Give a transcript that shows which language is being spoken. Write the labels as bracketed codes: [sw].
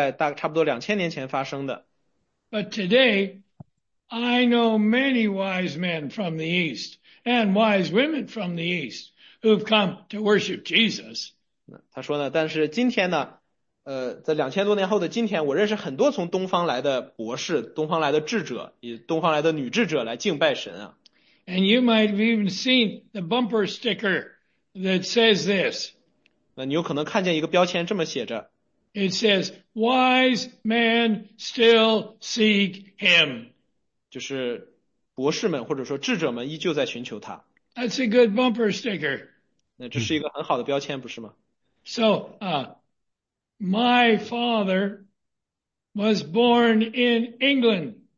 [zh] Harold弟兄想说的呢，就是这个故事是在大差不多2000年前发生的。 [en] But today, I know many wise men from the East and wise women from the East who've come to worship Jesus. [zh] 他说呢，但是今天呢，在2000多年后的今天，我认识很多从东方来的博士、东方来的智者，以东方来的女智者来敬拜神啊。 [en] And you might have even seen the bumper sticker that says this. [zh] 那你有可能看见一个标签这么写着。 [en] It says, wise men still seek him. [zh] 就是博士们或者说智者们依旧在寻求他。 [en] That's a good bumper sticker. [zh] 那这是一个很好的标签，不是吗？ [en] So, my father was born in England.